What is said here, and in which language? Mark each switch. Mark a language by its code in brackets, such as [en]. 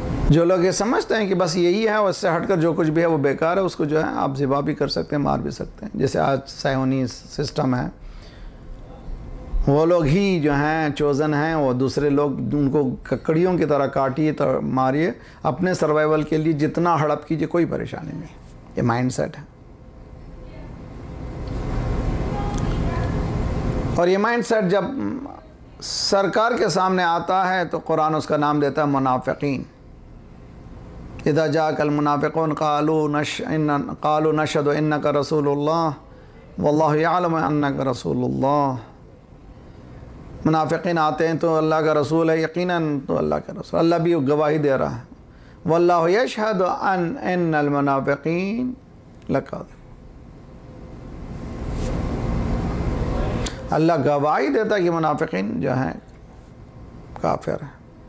[ur] جو لوگ یہ سمجھتے ہیں کہ بس یہی ہے، اس سے ہٹ کر جو کچھ بھی ہے وہ بیکار ہے، اس کو جو ہے آپ ذبح بھی کر سکتے ہیں، مار بھی سکتے ہیں، جیسے آج سیونی سسٹم ہے، وہ لوگ ہی جو ہیں چوزن ہیں، وہ دوسرے لوگ ان کو ککڑیوں کی طرح کاٹیے تو ماریے، اپنے سروائیول کے لیے جتنا ہڑپ کیجیے کوئی پریشانی نہیں. یہ مائنڈ سیٹ ہے، اور یہ مائنڈ سیٹ جب سرکار کے سامنے آتا ہے تو قرآن اس کا نام دیتا ہے منافقین. [ar] اذا جاءك المنافقون قالوا نشهد انك رسول اللہ والله يعلم انك رسول اللہ. [ur] منافقین آتے ہیں تو اللہ کا رسول ہے، یقیناً تو اللہ کا رسول، اللہ بھی گواہی دے رہا ہے. [ar] واللہ یشہد ان المنافقین لکاذب. [ur] اللہ گواہی دیتا ہے کہ منافقین جو ہیں کافر ہیں.